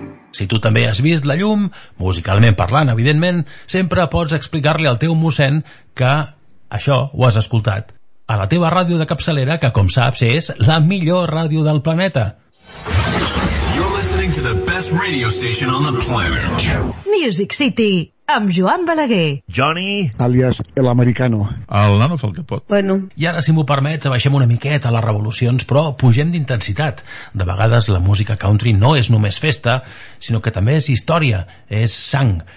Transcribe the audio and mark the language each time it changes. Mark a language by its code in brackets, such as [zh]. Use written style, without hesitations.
[ca] Si tu també has vist la llum, musicalment parlant, evidentment, sempre pots explicar-li al teu mossèn que això ho has escoltat a la teva ràdio de capçalera, que, com saps, és la millor ràdio del planeta. [en] You're listening to the best radio station on the planet. [ca] Music City, amb Joan Balaguer. Johnny, alias El Americano. El nano fa el que pot. Bueno. I ara, si m'ho permets, abaixem una miqueta les revolucions, però pugem d'intensitat. De vegades la música country no és només festa, sinó que també és història, és sang.